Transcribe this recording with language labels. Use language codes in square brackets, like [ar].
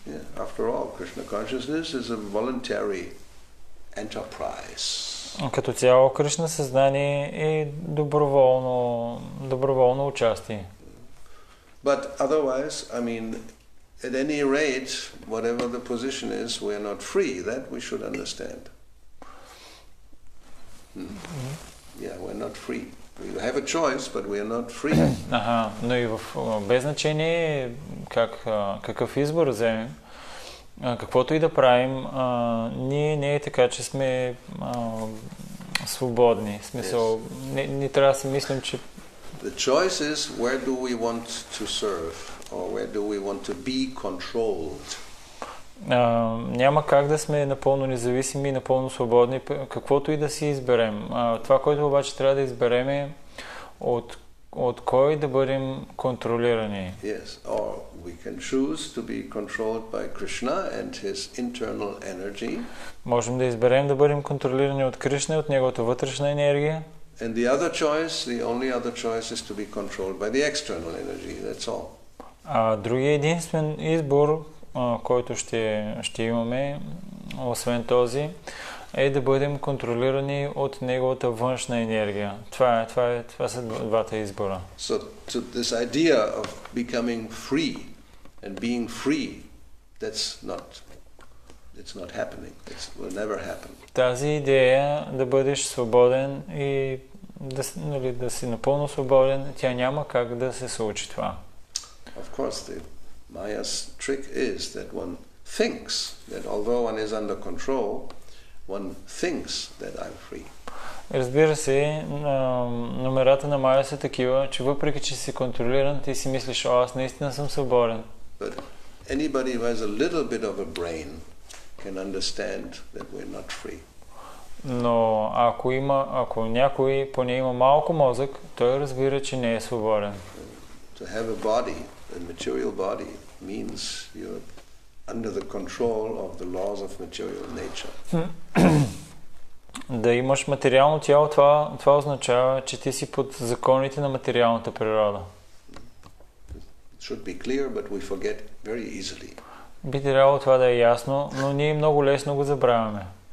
[en] Yeah. After all, Krishna consciousness is a voluntary enterprise. [bg] Като цяло Кришна съзнание е доброволно участие. [en] But otherwise, I mean, at any rate, whatever the position is, we are not free, that we should understand. Yeah, we're not free. We have a choice, but we are not free. [bg] Аха, но и без значение как какъв избор вземем, каквото и да правим, ние не е така, че сме свободни. В смисъл, [en] yes. [bg] не трябва да си мислим, че... [en] The choice is where do we want to serve or where do we want to be controlled. [bg] Няма как да сме напълно независими и напълно свободни, каквото и да си изберем. Това, което обаче трябва да изберем е от кой да бъдем контролирани. [en] Yes, or we can choose to be controlled by Krishna and his internal energy. [bg] Можем да изберем да бъдем контролирани от Кришна и от неговата вътрешна енергия. [en] And the other choice, the only other choice is to be controlled by the external energy, that's all. [bg] А другия единствен избор, който ще имаме, освен този, е да бъдем контролирани от неговата външна енергия. Това са двата избора. [en] So this idea of becoming free and being free, that's not happening. It will never happen. [bg] Тази идея да бъдеш свободен и да, нали, да си напълно свободен, тя няма как да се случи това. [en] Of course, the Maya's trick is that one thinks that although one is under control, one thinks that I'm free. [bg] Разбира се, номерата на Майя са такива, че въпреки че си контролиран, ти си мислиш: "О, аз наистина съм свободен." [en] But anybody who has a little bit of a brain can understand that we're not free. [bg] Но ако някой поне има малко мозък, той разбира, че не е свободен. [en] To have a body, a material body, means you're under the control of the laws of material nature. [bg] Да имаш материално тяло, това означава, че ти си под законите на материалната природа. [en] It should be clear, but we forget very easily. [bg] Би трябвало това да е ясно, но ние много лесно го забравяме.